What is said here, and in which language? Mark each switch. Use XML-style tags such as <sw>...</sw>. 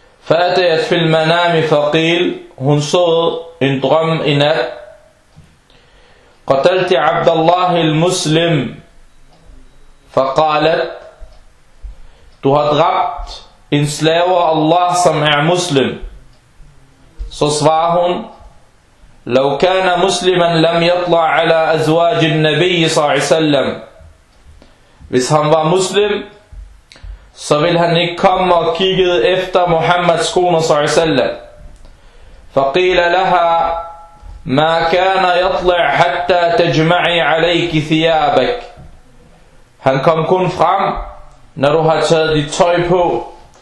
<ar>فَأَتَيَتْ فِي الْمَنَامِ فَقِيلْ.</ar> <da>Hun så en drøm i nat.</da> <ar>قَتَلْتِ عَبْدَ اللَّهِ الْمُسْلِمِ. فَقَالَتْ:</ar> <da>du har dræbt en slave af Allah, som er muslim. Så svarer hun:</da> <ar>لو كان مسلما لم يطلع على أزواج النبي صلى الله عليه وسلم.</ar> <da>Hvis han var muslim, så ville han ikke komme og kigge efter Muhammeds kone</da> <ar>صلى الله عليه وسلم. فقيل لها: ما كان يطلع حتى تجمعي عليك ثيابك.</ar> <da>Han kom kun frem, når du har taget dit tøj på.</da>